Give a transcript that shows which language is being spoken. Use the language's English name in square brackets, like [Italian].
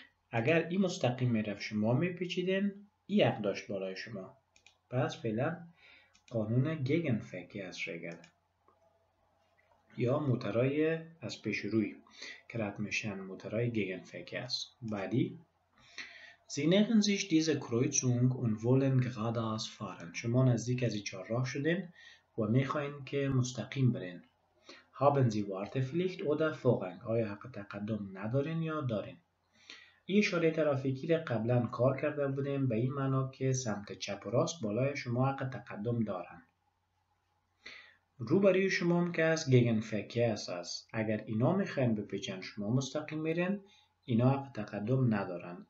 [Persian] اگر این مستقیم میرفت شما میپیچیدین، این حق داشت بالای شما. پس فعلا قانون گیگن فکرس رگل یا موترهای از پیش روی که رد میشن موترهای گیگن فکرس. بعدی [German] Sie nähern sich dieser Kreuzung und wollen geradeaus fahren. [Persian] شما نزدیک از چهار راه شدین و میخواین که مستقیم برین. [German] Haben Sie Wartepflicht oder Vorrang? [Persian] آیا حق تقدم ندارین یا دارین؟ این اشاره ترافیکی را قبلا کار کرده بودیم به این معنا که سمت چپ و راست بالای شما حق تقدم دارن. روبروی شما هم که از گیگنفکیس است. اگر اینا میخواین بپیچن شما مستقیم میرین، اینا حق تقدم ندارن.